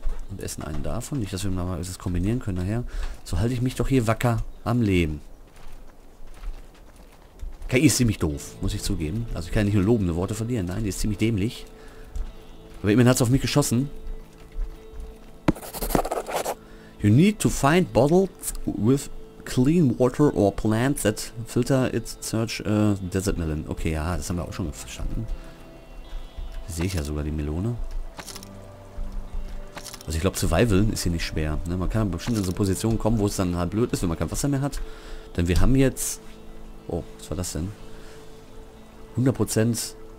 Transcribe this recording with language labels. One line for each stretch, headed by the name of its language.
German: Und essen einen davon. Nicht, dass wir mal das kombinieren können nachher. So halte ich mich doch hier wacker am Leben. KI ist ziemlich doof, muss ich zugeben. Also ich kann nicht nur lobende Worte verlieren. Nein, die ist ziemlich dämlich. Aber immerhin hat es auf mich geschossen.
English: You need to find bottles with clean water or plants that filter it search desert melon.
German: Okay, ja, das haben wir auch schon verstanden. Sehe ich ja sogar die Melone. Also ich glaube, Survival ist hier nicht schwer. Ne? Man kann bestimmt in so Positionen kommen, wo es dann halt blöd ist, wenn man kein Wasser mehr hat. Denn wir haben jetzt... Oh, was war das denn? 100%...